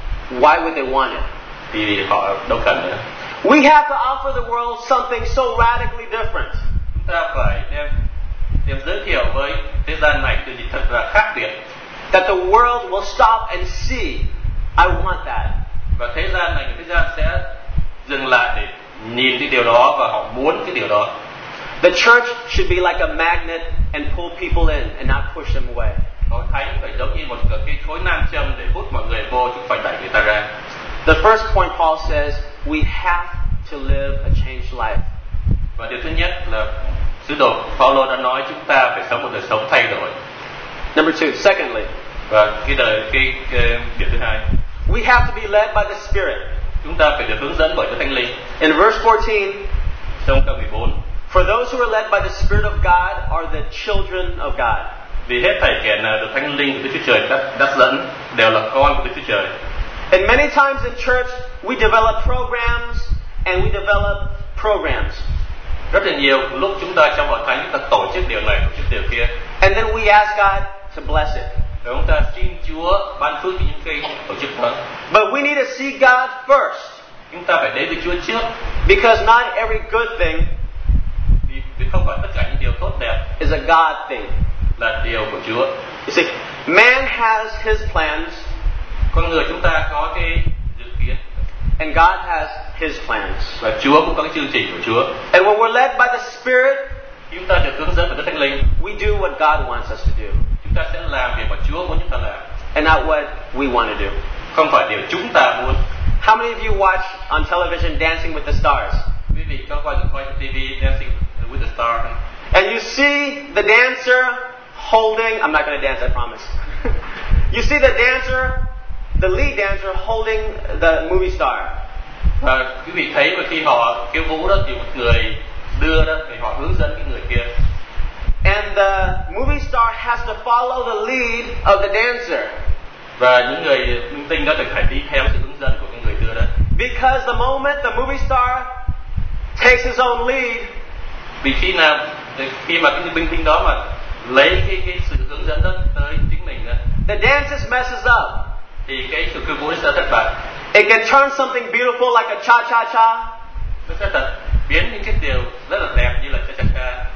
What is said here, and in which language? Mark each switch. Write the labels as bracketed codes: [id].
[en] why would they want it? [vi] Thì họ đâu cần nữa. [en] We have to offer the world something so radically different. [vi] Chúng ta phải đem giới thiệu với thế gian này điều gì thật là khác biệt. [en] That the world will stop and see, I want that. [vi] Và thế gian này, thế gian sẽ dừng lại để nhìn cái điều đó và họ muốn cái điều đó. [en] The church should be like a magnet and pull people in and not push them away. [vi] Hội thánh phải giống như một cái khối nam châm để hút mọi người vô chứ phải đẩy người ta ra. [en] The first point Paul says, we have to live a changed life. [vi] Và điều thứ nhất là sứ đồ Paulo đã nói chúng ta phải sống một đời sống thay đổi. [en] Number two, secondly. [vi] Và cái điều thứ hai. [en] We have to be led by the Spirit. [vi] Chúng ta phải được hướng dẫn bởi Chúa Thánh Linh. [en] In verse 14, [vi] trong câu 14, [en] for those who are led by the Spirit of God are the children of God. [vi] Vì hết thảy kẻ nào được Thánh Linh của Đức Chúa Trời đắc dẫn đều là con của Đức Chúa Trời. [en] And many times in church we develop programs and we develop programs. [vi] Rất là nhiều lúc chúng ta trong hội thánh chúng ta tổ chức điều này, tổ chức điều kia. [en] And then we ask God to bless it. [vi] Và chúng ta xin Chúa ban phước cho những cái tổ chức đó. [en] But we need to see God first. [vi] Chúng ta phải đến với Chúa trước. [en] Because not every good thing [vi] vì không phải tất cả những điều tốt đẹp [en] is a God thing. [vi] Là điều của Chúa. [en] You see, man has his plans. [vi] Con người chúng ta có cái dự kiến. [en] And God has his plans. [vi] Và Chúa cũng có cái chương trình của Chúa. [en] And when we're led by the Spirit, [vi] chúng ta được hướng dẫn bởi Đức Thánh Linh, [en] we do what God wants us to do. [vi] Chúng ta sẽ làm việc mà Chúa muốn chúng ta làm. [en] And not what we want to do. [vi] Không phải điều chúng ta muốn. [en] How many of you watch on television Dancing with the Stars? [vi] Quý vị có coi trên TV Dancing with the Stars? [en] And you see the dancer holding, I'm not going to dance, I promise. You see the dancer, the lead dancer holding the movie star. [vi] Quý vị thấy khi họ kêu vũ đó thì một người đưa đó thì họ hướng dẫn cái người kia. [en] has to follow the lead of the dancer. [vi] Và những người minh tinh đó thì phải đi theo sự hướng dẫn của cái người đưa đó. [en] Because the moment the movie star takes his own lead, [vi] vì khi mà cái minh tinh đó mà lấy cái sự hướng dẫn đó tới chính mình đó, [en] the dancer messes up. [vi] Thì cái sự cưu vũ sẽ thất bại. [en] It can turn something beautiful like a cha-cha-cha. [vi] Nó sẽ thật biến những cái điều rất là đẹp như là cha-cha-cha.